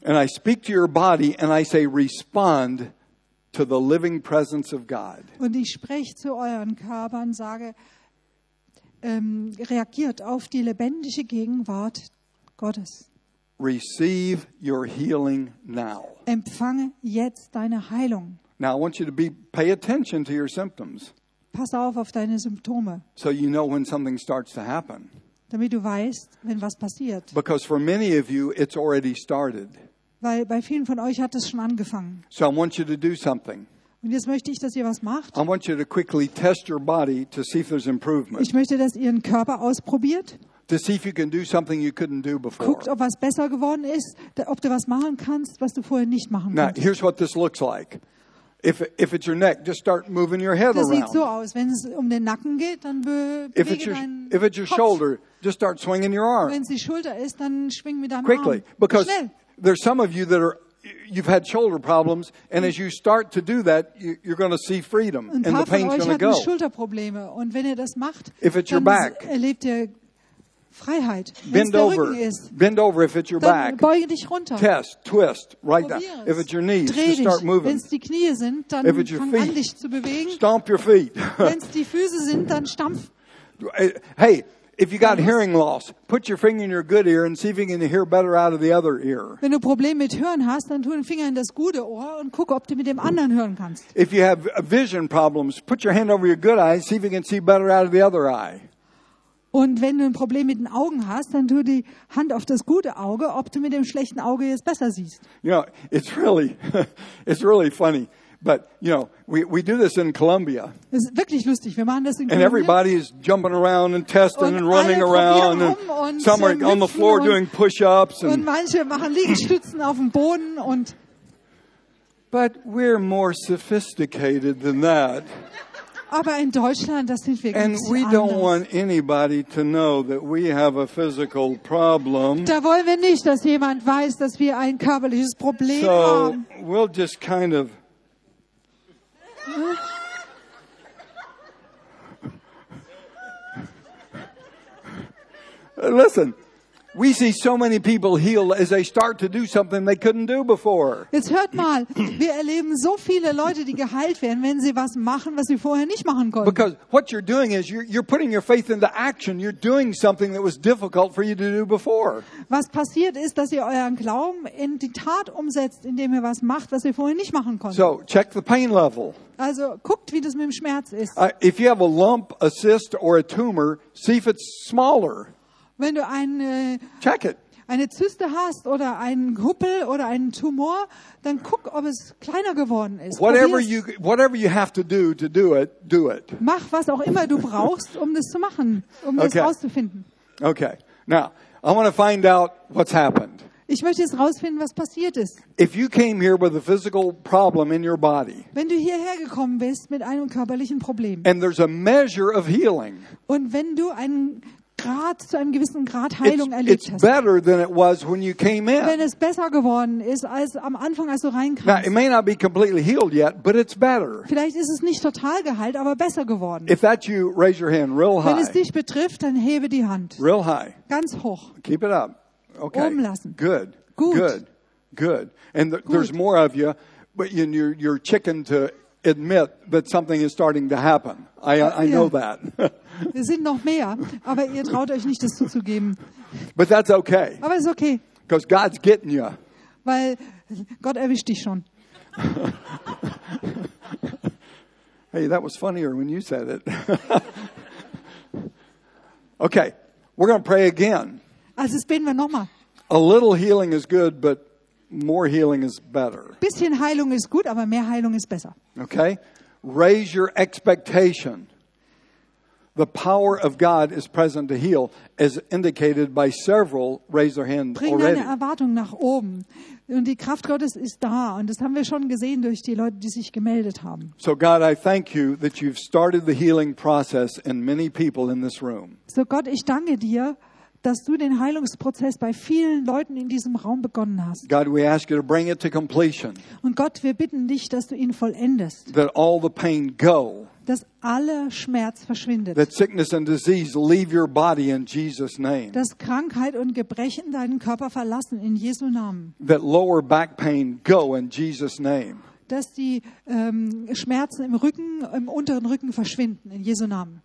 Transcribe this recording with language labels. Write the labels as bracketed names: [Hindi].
[English] And I speak to your body and I say respond to the living presence of God. [German] Und ich spreche zu euren Körpern, sage reagiert auf die lebendige Gegenwart Gottes. [English] Receive your healing now. [German] Empfange jetzt deine Heilung. [English] Now I want you to pay attention to your symptoms. [German] Pass auf deine Symptome. [English] So you know when something starts to happen. [German] Damit du weißt, wenn was passiert. [English] Because for many of you, it's already started. [German] Weil bei vielen von euch hat es schon angefangen. [English] So I want you to do something. [German] Und jetzt möchte ich, dass ihr was macht. [English] I want you to quickly test your body to see if there's improvement. [German] Ich möchte, dass ihr den Körper ausprobiert. [English] To see if you can do something you couldn't do before. [German] Guckt, ob was besser geworden ist, ob du was machen kannst, was du vorher nicht machen konntest. [English] Now here's what this looks like. If it's your neck, just start moving your head around. [German] Das sieht so aus, wenn es den Nacken geht, dann bewege deinen Kopf. [English] If it's your shoulder, just start swinging your arm. [German] Wenn es die Schulter ist, dann schwing mit deinem Arm. [English] Quickly, because there's some of you that are you've had shoulder problems, and as you start to do that, you're going to see freedom and the pain's going to go. [German] Ein paar von euch hatten Schulterprobleme, und wenn ihr das macht, [English] if it's your back, [German] erlebt ihr Freiheit. [English] Bend over. Bend over if it's your back. [German] Beuge dich runter. [English] Test, twist, right down. If it's your knees, just start moving. [German] Wenn es die Knie sind, dann fang an dich zu bewegen. [English] Stomp your feet. [German] Wenn es die Füße sind, dann stampf. [English] Hey, if you got hearing loss, put your finger in your good ear and see if you can hear better out of the other ear. [German] Wenn du Probleme mit Hören hast, dann tu den Finger in das gute Ohr und guck, ob du mit dem anderen hören kannst. [English] If you have vision problems, put your hand over your good eye and see if you can see better out of the other eye. [German] Und wenn du ein Problem mit den Augen hast, dann tu die Hand auf das gute Auge, ob du mit dem schlechten Auge jetzt besser siehst. [English] You know, it's really funny, but you know, we do this in Colombia. [German] Es ist wirklich lustig, wir machen das in Kolumbien. [English] And everybody is jumping around and testing and running around and some are on the floor doing push-ups [German] und manche machen Liegestützen auf dem Boden und [English] but we're more sophisticated than that. [German] Aber in Deutschland, das sind wir ganz [English] and we [German] anders. [English] Don't want anybody to know that we have a physical problem. [German] Da wollen wir nicht, dass jemand weiß, dass wir ein körperliches Problem [English] so [German] haben. [English] So, we'll just kind of. Listen. We see so many people heal as they start to do something they couldn't do before. [German] Jetzt hört mal, wir erleben so viele Leute, die geheilt werden, wenn sie was machen, was sie vorher nicht machen konnten. [English] Because what you're doing is you're putting your faith into action. You're doing something that was difficult for you to do before. [German] Was passiert ist, dass ihr euren Glauben in die Tat umsetzt, indem ihr was macht, was ihr vorher nicht machen konntet. [English] So, check the pain level. [German] Also, guckt, wie das mit dem Schmerz ist. [English] If you have a lump, a cyst or a tumor, see if it's smaller. [German] Wenn du eine Zyste hast oder einen Huppel oder einen Tumor, dann guck, ob es kleiner geworden ist. [English] Whatever you have to do it, do it. [German] Mach, was auch immer du brauchst, um das zu machen, um okay. Das rauszufinden. [English] Okay. Now, I want to find out what's happened. [German] Ich möchte jetzt rausfinden, was passiert ist. [English] If you came here with a physical problem in your body. [German] Wenn du hierher gekommen bist mit einem körperlichen Problem. [English] And there's a measure of healing. [German] Und wenn du einen Grad, zu einem gewissen Grad Heilung erlebt hast. Wenn es besser geworden ist, als am Anfang, als du reinkamst. [English] Now, it may not be completely healed yet, but it's better. [German] Vielleicht ist es nicht total geheilt, aber besser geworden. [English] If that's you, raise your hand real high. [German] Wenn es dich betrifft, dann hebe die Hand. [English] Real high. [German] Ganz hoch. [English] Keep it up. Okay. [German] Oben lassen. [English] Good. [German] Gut. [English] Good. Good. And there's more of you, but you're chicken to admit that something is starting to happen. I know that. [German] Wir sind noch mehr, aber ihr traut euch nicht, das zuzugeben. [English] But that's okay. [German] Aber es ist okay. [English] Because God's getting you. [German] Weil Gott erwischt dich schon. [English] Hey, that was funnier when you said it. Okay, we're going to pray again. [German] Also beten wir nochmal. [English] A little healing is good, but more healing is better. [German] Bisschen Heilung ist gut, aber mehr Heilung ist besser. [English] Okay? Raise your expectation. The power of God is present to heal, as indicated by several raise their hand already. [German] Bring deine Erwartung nach oben. Und die Kraft Gottes ist da. Und das haben wir schon gesehen durch die Leute, die sich gemeldet haben. [English] So God, I thank you that you've started the healing process in many people in this room. [German] So Gott, ich danke dir, dass du den Heilungsprozess bei vielen Leuten in diesem Raum begonnen hast. [English] God, we ask you to bring it to completion. [German] Und Gott, wir bitten dich, dass du ihn vollendest. [English] That all the pain go. [German] Dass alle Schmerz verschwindet. [English] That sickness and disease leave your body in Jesus name. [German] Dass Krankheit und Gebrechen deinen Körper verlassen in Jesu Namen. [English] That lower back pain go in Jesus name. [German] Dass die Schmerzen im Rücken, im unteren Rücken verschwinden in Jesu Namen.